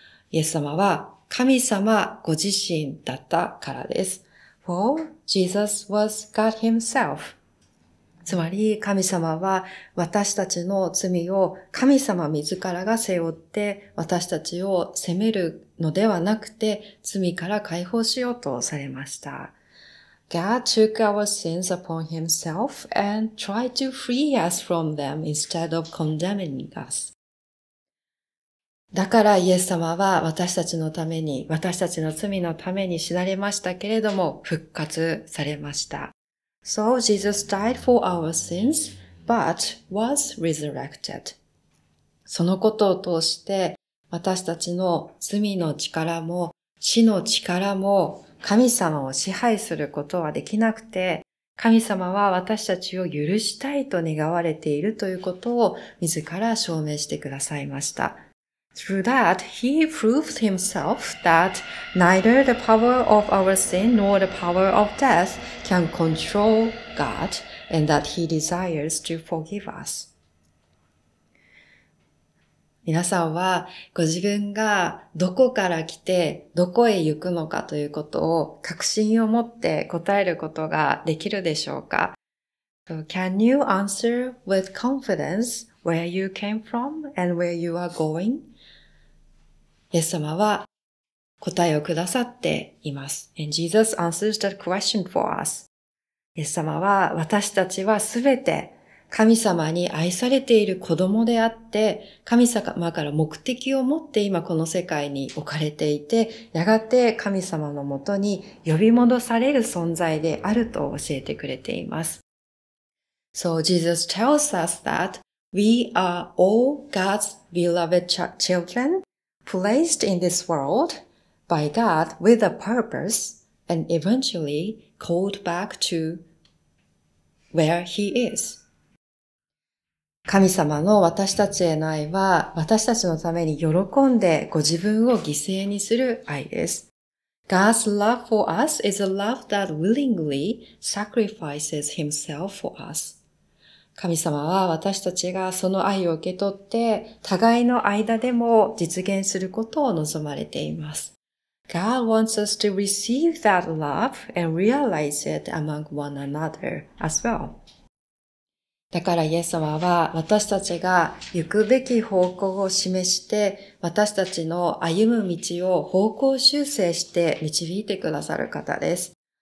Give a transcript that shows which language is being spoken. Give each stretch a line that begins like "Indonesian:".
Japanese: イエス様は神様ご自身だったからです。
English: For Jesus was God himself.
Japanese: つまり神様は私たちの罪を神様自らが背負って私たちを責めるのではなくて罪から解放しようとされました。
English: God took our sins upon himself and tried to free us from them instead of condemning us.
Japanese: だからイエス様は私たちのために、私たちの罪のために死なれましたけれども、復活されました。
English: So Jesus died for our sins, but was resurrected.
Japanese: そのことを通して、私たちの罪の力も死の力も神様を支配することはできなくて、神様は私たちを許したいと願われているということを自ら証明してくださいました。
English: Through that, he proved himself that neither the power of our sin nor the power of death can control God and that he desires to forgive us.
Japanese: 皆さんはご自分がどこから来てどこへ行くのかということを確信を持って答えることができるでしょうか?
English: So, can you answer with confidence where you came from and where you are going?
Japanese: イエス様は答えをくださっています。
English: And Jesus answers that question for us.
Japanese: イエス様は、私たちはすべて神様に愛されている子供であって、神様から目的を持って今この世界に置かれていて、やがて神様のもとに呼び戻される存在であると教えてくれています。
English: So Jesus tells us that we are all God's beloved children placed in this world by God with a purpose and eventually called back to where he is.
Japanese: 神様の私たちへの愛は私たちのために喜んでご自分を犠牲にする愛です。
English: God's love for us is a love that willingly sacrifices himself for us.
Japanese: 神様は私たちがその愛を受け取って互いの間でも実現することを望まれています。
English: God wants us to receive that love and realize it among one another as well.
Japanese: だからイエス様は私たちが行くべき方向を示して私たちの歩む道を方向修正して導いてくださる方です。